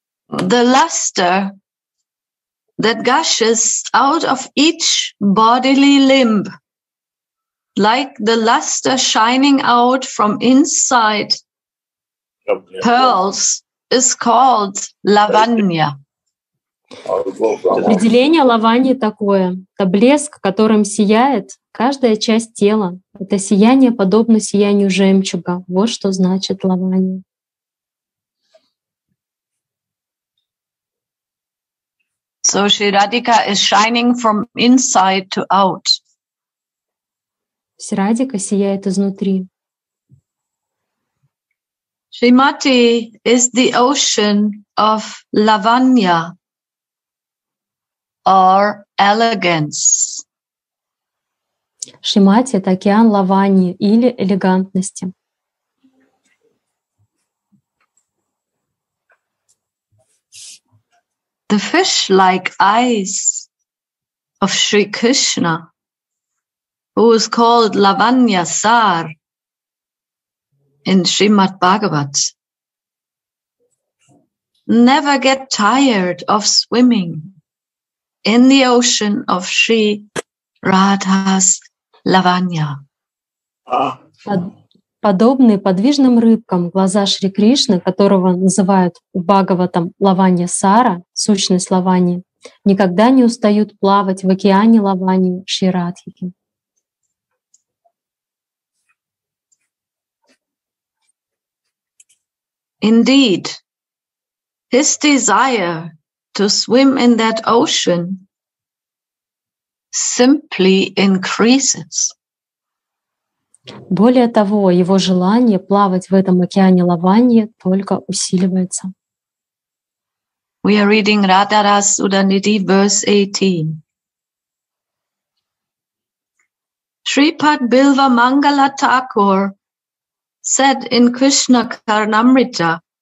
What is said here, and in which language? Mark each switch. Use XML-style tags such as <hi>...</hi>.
<en>The luster that gushes out of each bodily limb, like the luster shining out from inside pearls, is called Lavanya.</en> <ru>Определение Лаваньи такое. Это блеск, которым сияет каждая часть тела. Это сияние подобно сиянию жемчуга. Вот что значит Лаванья.</ru> <en>So Sri Radhika is shining from inside to out.</en> <ru>Sri Radhika сияет изнутри.</ru> <en>Shrimati is the ocean of lavanya, or elegance.</en> <ru>Шримати — это океан лаваньи или элегантности.</ru> <en>The fish-like eyes of Sri Krishna, who is called Lavanya Sar in Srimad Bhagavat, never get tired of swimming in the ocean of Sri Radha's Lavanya.</en> <ru>Подобные подвижным рыбкам глаза Шри Кришны, которого называют Бхагаватам Лаванья Сара, сущность Лаваньи, никогда не устают плавать в океане Лаваньи Шри Радхики.</ru> <en>Indeed, his desire to swim in that ocean simply increases.</en> <ru>Более того, его желание плавать в этом океане Лаваньи только усиливается.</ru> <en>We are reading Radharas Udaniti, verse 18. Shripad Bilva Mangala Thakur said in Krishna Karnamrita.</en>